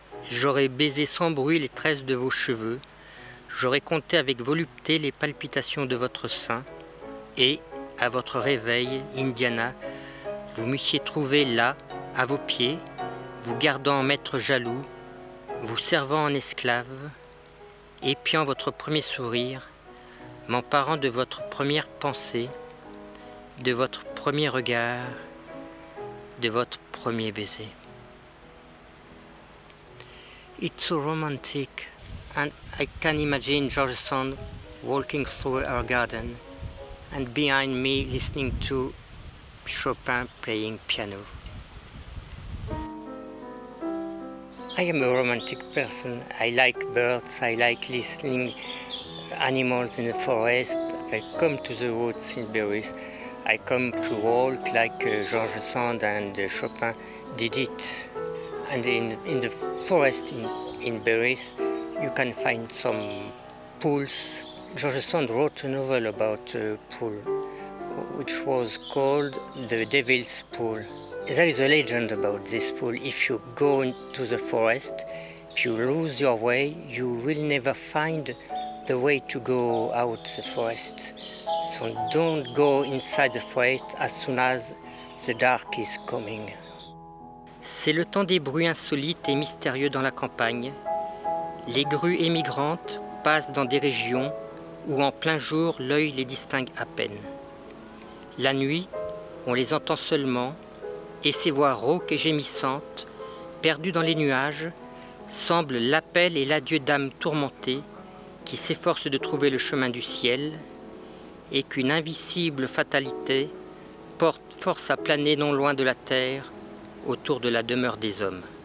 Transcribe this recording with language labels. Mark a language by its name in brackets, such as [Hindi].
[French] J'aurais baisé sans bruit les tresses de vos cheveux, j'aurais compté avec volupté les palpitations de votre sein, et, à votre réveil, Indiana, vous m'eussiez trouvé là, à vos pieds, vous gardant en maître jaloux, vous servant en esclave, épiant votre premier sourire, m'emparant de votre première pensée, de votre premier regard, de votre premier baiser. [English] It's so romantic, and I can imagine Georges Sand walking through her garden and behind me listening to Chopin playing piano. I am a romantic person. I like birds, I like listening animals in the forest. I come to the woods in Paris. I come to walk like George Sand and Chopin did it. And in the forest in Paris, you can find some pools. George Sand wrote a novel about a pool, which was called The Devil's Pool. There is a legend about this pool. If you go into the forest, if you lose your way, you will never find the way to go out the forest. So don't go inside the forest as soon as the dark is coming. [French] C'est le temps des bruits insolites et mystérieux dans la campagne. Les grues émigrantes passent dans des régions où en plein jour l'œil les distingue à peine. La nuit, on les entend seulement et ces voix rauques et gémissantes, perdues dans les nuages, semblent l'appel et l'adieu d'âmes tourmentées qui s'efforcent de trouver le chemin du ciel et qu'une invisible fatalité porte force à planer non loin de la terre autour de la demeure des hommes.